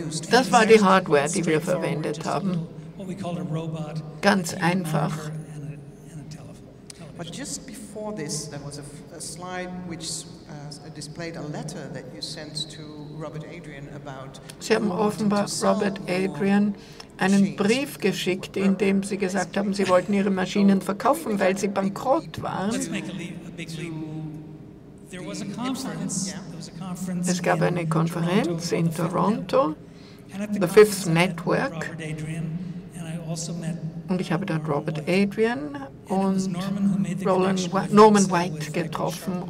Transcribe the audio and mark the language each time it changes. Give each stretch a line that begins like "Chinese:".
German: Das war die Hardware, die wir verwendet haben. Ganz einfach.
English: But just before this, there was a slide which displayed a letter that you sent to Robert Adrian about.
German: Sie haben offenbar Robert Adrian einen Brief geschickt, in dem sie gesagt haben, sie wollten ihre Maschinen verkaufen, weil sie bankrott waren. Es gab eine Konferenz in Toronto, The Fifth Network, und ich habe dort Robert Adrian und Norman White getroffen.